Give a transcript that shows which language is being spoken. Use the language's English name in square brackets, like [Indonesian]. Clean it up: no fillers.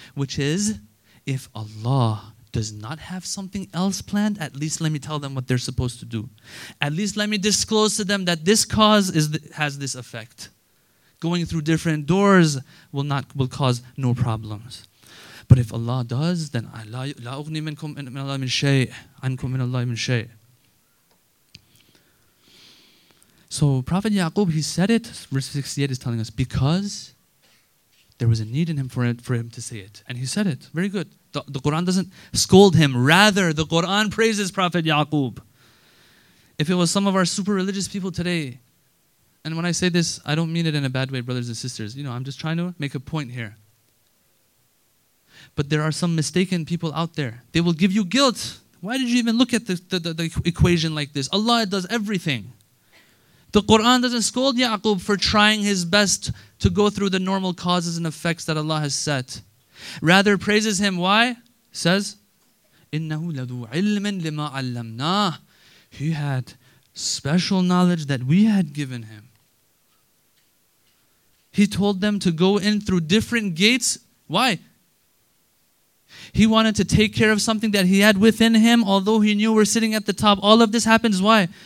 [English] Which is, if Allah does not have something else planned, at least let me tell them what they're supposed to do. At least let me disclose to them that this cause has this effect. Going through different doors will cause no problems. But if Allah does, then [Arabic] لا أغني منكم من الله من شيء [English] عنكم من الله من شيء. So Prophet Ya'qub, he said it, verse 68 is telling us, because there was a need in him for him to say it. And he said it. Very good. The Quran doesn't scold him. Rather, the Quran praises Prophet Ya'qub. If it was some of our super religious people today, and when I say this, I don't mean it in a bad way, brothers and sisters. You know, I'm just trying to make a point here. But there are some mistaken people out there. They will give you guilt. Why did you even look at the equation like this? Allah does everything. The Quran doesn't scold Ya'qub for trying his best to go through the normal causes and effects that Allah has set. Rather, praises him. Why? [Arabic] Says, إِنَّهُ لَذُو عِلْمٍ لِمَا عَلَّمْنَاهُ. [English] He had special knowledge that we had given him. He told them to go in through different gates. Why? He wanted to take care of something that he had within him, although he knew we're sitting at the top. All of this happens. Why?